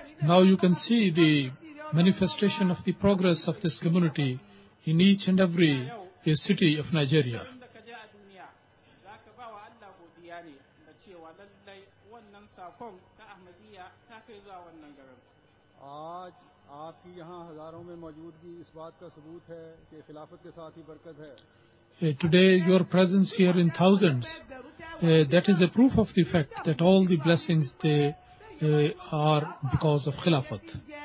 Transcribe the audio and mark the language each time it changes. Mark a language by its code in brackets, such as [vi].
[en] Now you can see the manifestation of the progress of this community in each and every city of Nigeria. [ur] آج آپ کی یہاں ہزاروں میں موجودگی اس بات کا ثبوت ہے کہ خلافت کے ساتھ ہی برکت ہے [en] Today your presence here in thousands, that is a proof of the fact that all the blessings they are because of Khilafat.